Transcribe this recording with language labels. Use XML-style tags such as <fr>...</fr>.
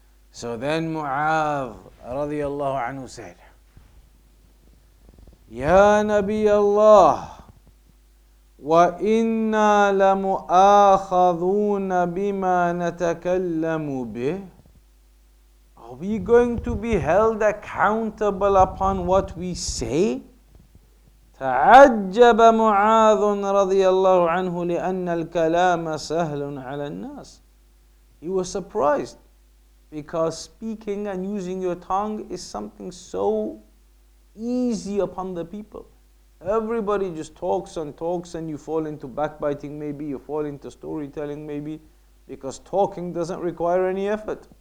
<en>So then Mu'adh radiallahu anhu said,</en> <ar>Ya Nabi Allah, wa inna la mu'akhadhuna bima natakallamu bih.</ar> <en>Are we going to be held accountable upon what we say?</en> <ar>تعجب Mu'adh radiallahu anhu لأن الكلام سهل على الناس.</ar> <en>He was surprised, because speaking and using your tongue is something so easy upon the people. Everybody just talks and talks, and you fall into backbiting maybe, you fall into storytelling maybe, because talking doesn't require any effort.</en>